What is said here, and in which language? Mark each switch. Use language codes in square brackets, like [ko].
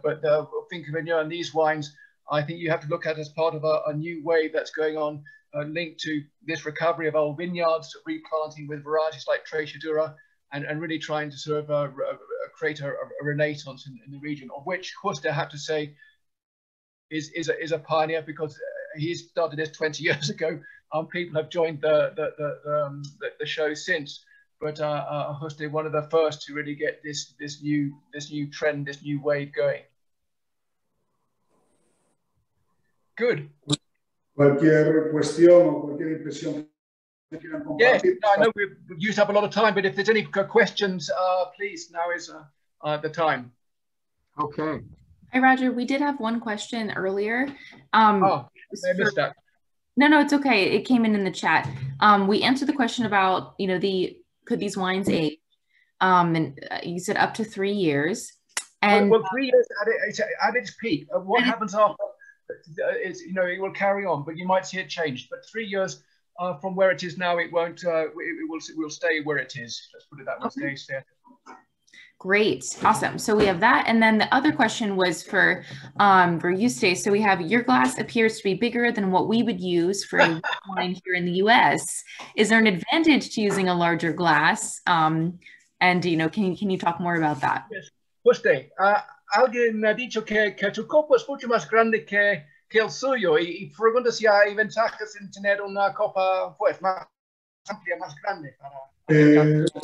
[en] But the Finca Viñoa and these wines, I think you have to look at as part of a new wave that's going on, linked to this recovery of old vineyards, replanting with varieties like Treixadura, and really trying to sort of create a renaissance in the region, of which Juste, I have to say, is a pioneer, because he started this 20 years ago. People have joined the show since, but Juste, one of the first to really get this new trend, this new wave going. Good. [es] Cualquier cuestión o cualquier impresión que quieran compartir. [en] Yes, I know we've used up a lot of time, but if there's any questions, please, now is the time. Okay. Hi, Roger. We did have one question earlier. I missed that. No, no, it's okay. It came in the chat. We answered the question about, you know, could these wines age? And you said up to 3 years. And well, 3 years at its peak. What happens after is, you know, it will carry on, but you might see it changed. But 3 years from where it is now, it won't, we'll stay where it is. Let's put it that way. Okay. Stay. Great. Awesome. So we have that. And then the other question was for Juste. So we have, your glass appears to be bigger than what we would use for wine here in the US. Is there an advantage to using a larger glass? And, you know, can you talk more about that? Yes. [es] Juste, alguien ha dicho que tu copa es mucho más grande que el suyo. Y pregunta si hay ventajas en tener una copa pues más amplia, más grande.